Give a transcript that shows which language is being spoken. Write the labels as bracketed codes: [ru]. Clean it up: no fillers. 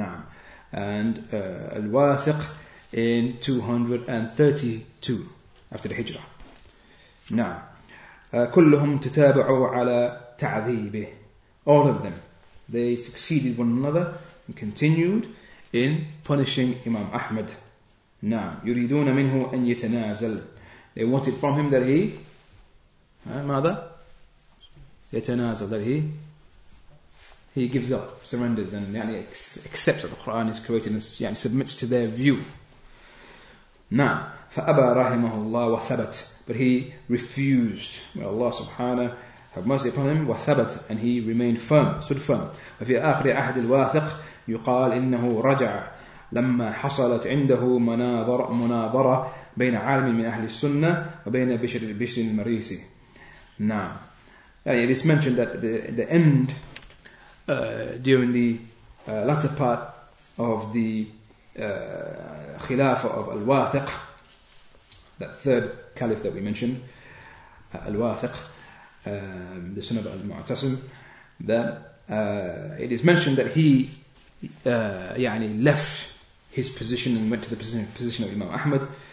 [en] 227. Now, and al-Wathiq in 232 after the Hijrah. [ar] Now, كلهم تتابعوا على تعذيبه. [en] All of them, they succeeded one another and continued in punishing Imam Ahmad. [ar] Now, يريدون منه أن يتنازل. [en] They wanted from him that he, [ar] ماذا؟ يتنازل, [en] that he gives up, surrenders, and يعني accepts that the Quran is created and يعني submits to their view. [ar] نعم فأبى رحمه الله وثبت, [en] but he refused. May Allah subhanahu have mercy upon him. [ar] وثبت, [en] and he remained firm, stood firm. [ar] وفي آخر عهد الواثق يقال إنه رجع لما حصلت عنده مناظرة بين عالم من أهل السنة وبين بشر المريسي. [en] نعم, يعني it is mentioned that the end during the latter part of the Khilafah of Al-Wathiq, that third caliph that we mentioned, Al-Wathiq, the son of Al-Mu'tasim, that it is mentioned that he يعني left his position and went to the position of Imam Ahmad.